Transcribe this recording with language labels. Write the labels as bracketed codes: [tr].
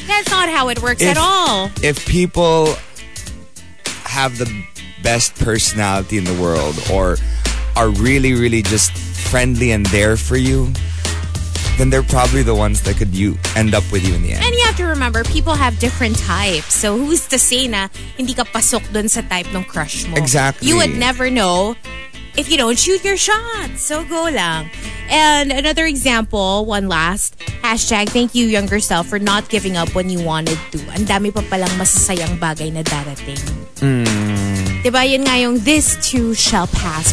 [en] That's not how it works at all. If people have the best personality in the world or are really, really just friendly and there for you, then they're probably the ones that could you end up with you in the end. And you have to remember, people have different types. So who's to say [tl] na hindi ka pasok dun sa type ng crush mo? [en] Exactly. You would never know if you don't shoot your shot. So go lang. And another example, one last. Hashtag, thank you, younger self, for not giving up when you wanted to. [tl] Ang dami pa palang masasayang bagay na darating. Diba, yun nga yung [en] this too shall pass.